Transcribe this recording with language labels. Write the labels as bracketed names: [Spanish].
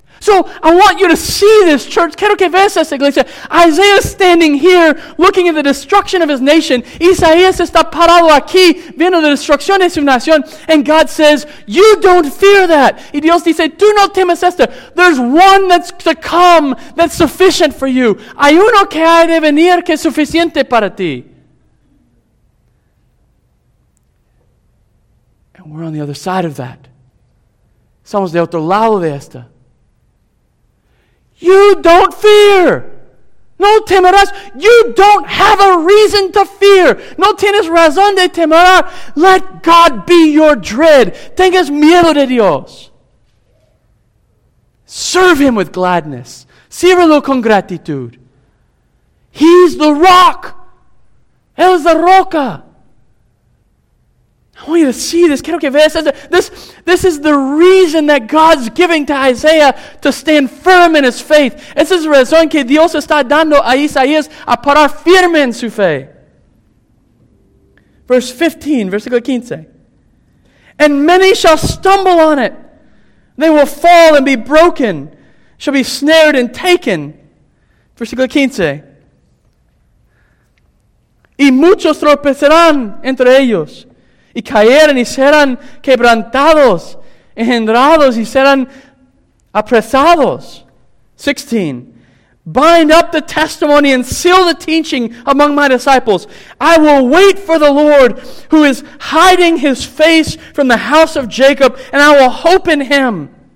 [English] So I want you to see this, church. [Spanish] Quiero que veas esta iglesia. [English] Isaiah is standing here looking at the destruction of his nation. [Spanish] Isaías está parado aquí viendo la destrucción de su nación. [English] And God says, you don't fear that. [Spanish] Y Dios dice, tú no temes esto. [English] There's one that's to come that's sufficient for you. [Spanish] Hay uno que ha de venir que es suficiente para ti. [English] And we're on the other side of that. [Spanish] Somos de otro lado de esta. [English] You don't fear. [Spanish] No temerás. [English] You don't have a reason to fear. [Spanish] No tienes razón de temer. [English] Let God be your dread. [Spanish] Tengas miedo de Dios. [English] Serve Him with gladness. [Spanish] Sírvelo con gratitud. [English] He's the rock. [Spanish] Él es la roca. [English] I want you to see this. [Spanish] Quiero que veas esto. [English] This is the reason that God's giving to Isaiah to stand firm in his faith. [Spanish] Esa es la razón que Dios está dando a Isaías a parar firme en su fe. [English] Verse 15, [Spanish] versículo 15. [English] And many shall stumble on it. They will fall and be broken, shall be snared and taken. [Spanish] Versículo 15. Y muchos tropezarán entre ellos. Y caerán y serán quebrantados, engendrados y serán apresados. 16. [English] Bind up the testimony and seal the teaching among my disciples. I will wait for the Lord who is hiding his face from the house of Jacob, and I will hope in him.